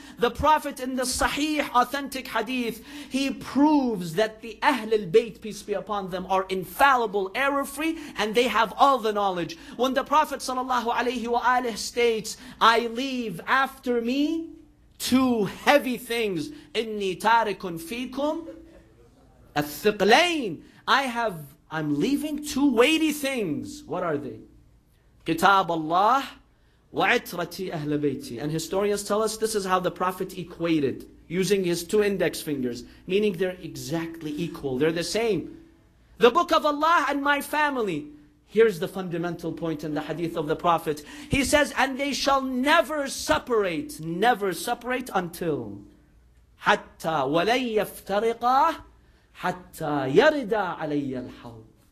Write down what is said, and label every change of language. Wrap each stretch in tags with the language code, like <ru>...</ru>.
<en>The Prophet in the Sahih, authentic hadith, he proves that the Ahlul Bayt, peace be upon them, are infallible, error-free, and they have all the knowledge. When the Prophet sallallahu alayhi wa alayhi states, I leave after me two heavy things.</en> <ar>إني تاركٌ فيكم الثقلين.</ar> <en>I'm leaving two weighty things. What are they?</en> <ar>كتاب الله وعترتي أهل بيتي.</ar> <en>And historians tell us this is how the Prophet equated, using his two index fingers, meaning they're exactly equal. They're the same. The book of Allah and my family. Here's the fundamental point in the hadith of the Prophet. He says, and they shall never separate until</en> <ar>حَتَّى وَلَنْ يَفْتَرِقَ حَتَّى يَرِدَ عَلَيَّ الْحَوْضُ.</ar>